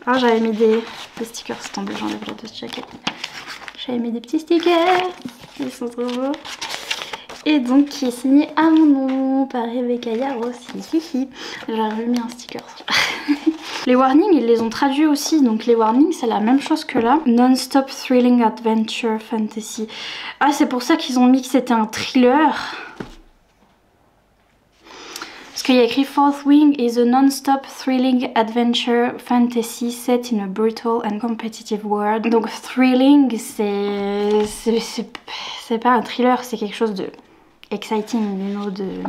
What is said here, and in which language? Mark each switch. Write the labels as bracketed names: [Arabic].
[French] Ah, j'avais mis des stickers. C'est tombé, j'enlève le dust jacket. J'avais mis des petits stickers. Ils sont trop beaux. Et donc qui est signé à mon nom par Rebecca Yarossi. Si. J'ai remis un sticker. Les warnings, ils les ont traduits aussi, donc les warnings, c'est la même chose que là. [English] Non-stop thrilling adventure fantasy. [French] Ah, c'est pour ça qu'ils ont mis que c'était un thriller. [English] qu'il y a écrit Fourth Wing is a non-stop thrilling adventure fantasy set in a brutal and competitive world. [French] Donc thrilling, c'est pas un thriller, c'est quelque chose de exciting, you know, de...